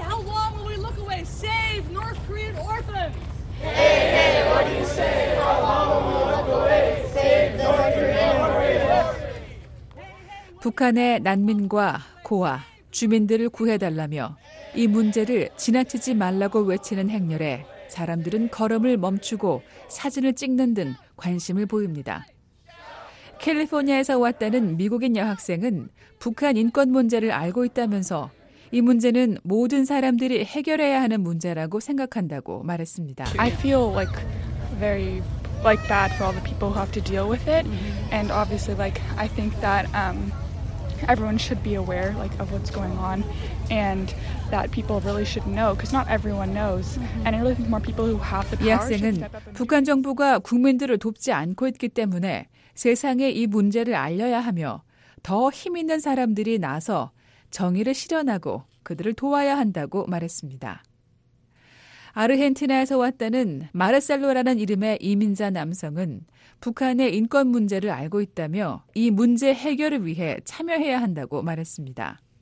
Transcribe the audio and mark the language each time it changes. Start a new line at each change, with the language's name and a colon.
English: How long will we look away? Save North Korean refugees! Hey, hey, what do you say? How long will we look away? Save North Korean orphans! Hey, hey, what do you say? How long will we look away? Save North Korean orphans!
Korean: 북한의 난민과 고아, 주민들을 구해달라며 이 문제를 지나치지 말라고 외치는 행렬에 사람들은 걸음을 멈추고 사진을 찍는 등 관심을 보입니다. 캘리포니아에서 왔다는 미국인 여학생은 북한 인권 문제를 알고 있다면서 이 문제는 모든 사람들이 해결해야 하는 문제라고 생각한다고 말했습니다.
English: I feel like very like bad for all the people who have to deal with it and obviously like I think that everyone should be aware, like, of what's going on, and that people really should know, because not everyone knows. Mm-hmm. And I really think more people who have the power.
Korean: 이 학생은 북한 정부가 국민들을 돕지 않고 있기 때문에 세상에 이 문제를 알려야 하며 더 힘 있는 사람들이 나서 정의를 실현하고 그들을 도와야 한다고 말했습니다. 아르헨티나에서 왔다는 마르셀로라는 이름의 이민자 남성은 북한의 인권 문제를 알고 있다며 이 문제 해결을 위해 참여해야 한다고 말했습니다.